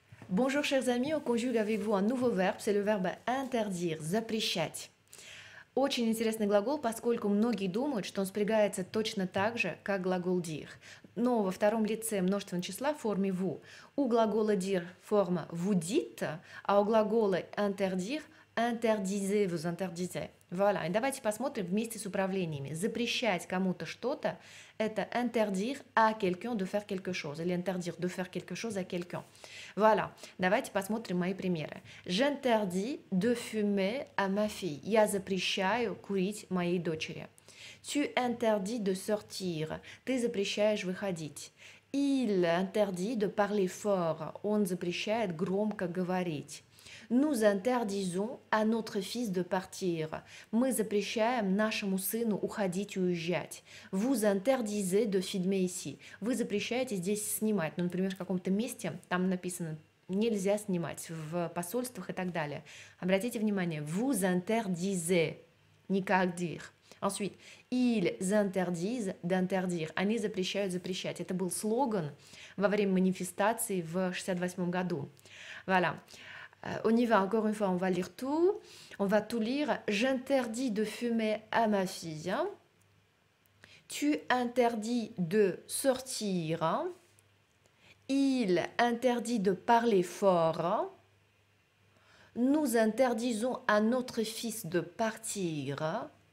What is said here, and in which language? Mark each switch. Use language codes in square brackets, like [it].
[fr] Bonjour chers amis, on conjugue avec vous un nouveau verbe, c'est le verbe interdire, [ru] запрещать. Очень интересный глагол, поскольку многие думают, что он спрягается точно так же, как глагол dire. Но во втором лице множественного числа в форме vous. У глагола dire форма [fr] vous dites, [ru] а у глагола [fr] interdire interdisez, vous interdisez. [ru] Voilà, и давайте посмотрим вместе с управлениями. Запрещать кому-то что-то, это [fr] interdire à quelqu'un de faire quelque chose. Или interdire de faire quelque chose à quelqu'un. [ru] Voilà, давайте посмотрим мои примеры. [fr] J'interdis de fumer à ma fille. [ru] Я запрещаю курить моей дочери. [fr] Tu interdis de sortir. [ru] Ты запрещаешь выходить. [fr] Il interdit de parler fort. [ru] Он запрещает громко говорить. [fr] Nous interdisons à notre fils de partir. [ru] Мы запрещаем нашему сыну уходить и уезжать. [fr] Vous interdisez de filmer ici. [ru] Вы запрещаете здесь снимать. Ну, например, в каком-то месте там написано «нельзя снимать» в посольствах и так далее. Обратите внимание, [fr] vous interdisez, [ru] не как dire. [fr] Ensuite, ils interdisent d'interdire. [ru] Они запрещают запрещать. Это был слоган во время манифестации в 68 году. [fr] Voilà. On y va encore une fois, on va lire tout. On va tout lire. J'interdis de fumer à ma fille. Tu interdis de sortir. Il interdit de parler fort. Nous interdisons à notre fils de partir.